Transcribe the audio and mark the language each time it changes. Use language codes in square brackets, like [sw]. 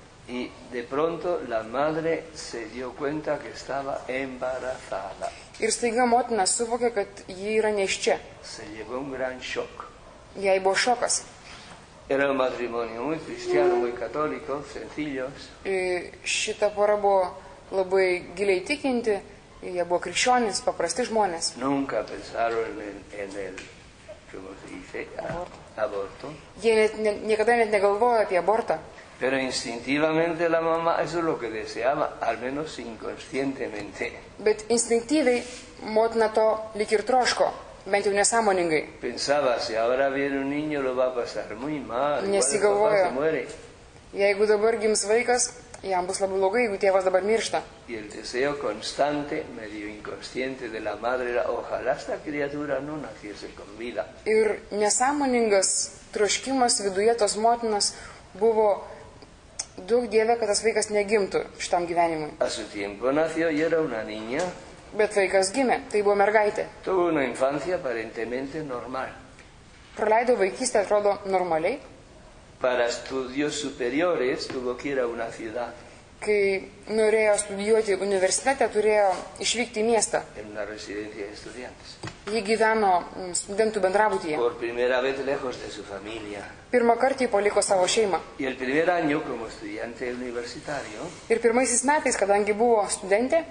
[es] Y de pronto la madre se dio cuenta que estaba embarazada. [lt] Ir staiga motina suvokė, kad ji yra neščia. [es] Se llevó un gran shock. [lt] Jai buvo šokas. [es] Era un matrimonio muy cristiano, muy católico, sencillos. [lt] Šita pora buvo labai giliai tikinti, jie buvo krikščionis, paprasti žmonės. [es] Nunca pensaron en el, como se dice, aborto. [lt] Jie niekada net negalvojo apie abortą. [es] Pero instintivamente la mamá, eso es lo que deseaba, al menos inconscientemente. [lt] Bet instinktyviai motina to lyg ir troško. Bent jau nesąmoningai. [es] Pensaba, si ahora viene un niño, lo va a pasar muy mal. [lt] Nesigalvojo. Jeigu dabar gims vaikas, jam bus labai blogai, jeigu tėvas dabar miršta. [es] Y el deseo constante, medio inconsciente de la madre era, ojalá esta criatura no naciese con vida. [lt] Ir nesąmoningas troškimas viduje tos motinas buvo daug dieve, kad tas vaikas negimtų šitam gyvenimui. [es] A su tiempo nació y era una niña. [lt] Bet vaikas gimė, tai buvo mergaitė. [es] Tuvo una infancia aparentemente normal. [lt] Praleido vaikystę, atrodo, normaliai. [es] Para estudios superiores tuvo que ir a una ciudad. [lt] Kai norėjo studijuoti universitete, turėjo išvykti į miestą. [es] En una residencia de estudiantes. [lt] Ji gyveno studentų bendrabutyje. [es] Por primera vez lejos de su familia. [lt] Pirmą kartą paliko savo šeimą. [es] Y el primer año como estudiante universitario. [lt] Ir pirmaisiais metais, kadangi buvo studentė.